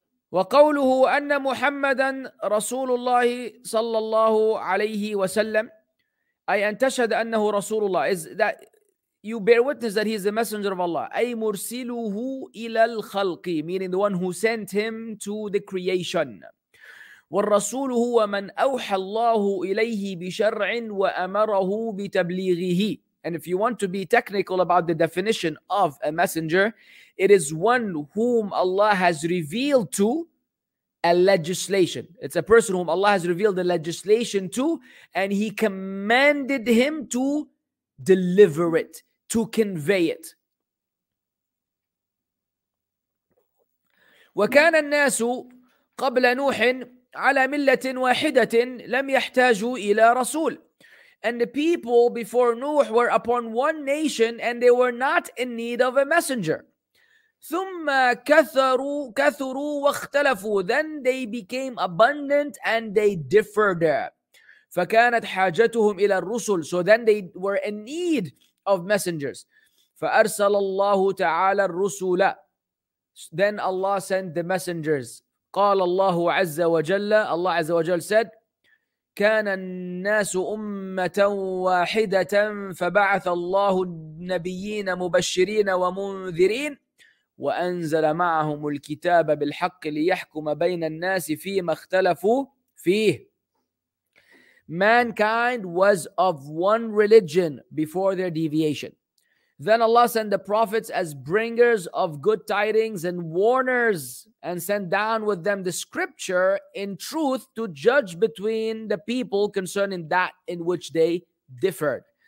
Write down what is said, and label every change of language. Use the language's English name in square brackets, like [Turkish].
[Arabic] وقوله أن محمدا رسول الله صلى الله عليه وسلم أي أن تشهد أنه رسول الله. [English] Is that you bear witness that he is the messenger of Allah. [Arabic] أي مرسله إلى الخلق, [English] meaning the one who sent him to the creation. [Arabic] والرسول هو من أوحى الله إليه بشرع وأمره بتبليغه. [English] And if you want to be technical about the definition of a messenger, it is one whom Allah has revealed to a legislation. It's a person whom Allah has revealed the legislation to, and He commanded him to deliver it, to convey it. [Arabic] وكان الناس قبل نوح على ملة واحدة لم يحتاجوا إلى رسول. [English] And the people before Nuh were upon one nation and they were not in need of a messenger. [Arabic] ثُمَّ كَثَرُوا وَاخْتَلَفُوا. [English] Then they became abundant and they differed. [Arabic] فَكَانَتْ حَاجَتُهُمْ إِلَى الرُّسُلِ. [English] So then they were in need of messengers. [Arabic] فَأَرْسَلَ اللَّهُ تَعَالَى الرُّسُولَ. [English] Then Allah sent the messengers. [Arabic] قَالَ اللَّهُ عَزَّ وَجَلَّ. Allah عَزَّ وَجَلَّ said, كان الناس أمة واحدة فبعث الله النبيين مبشرين ومنذرين وأنزل معهم الكتاب بالحق ليحكم بين الناس فيما اختلفوا فيه. [English] Mankind was of one religion before their deviation. Then Allah sent the prophets as bringers of good tidings and warners and sent down with them the scripture in truth to judge between the people concerning that in which they differed.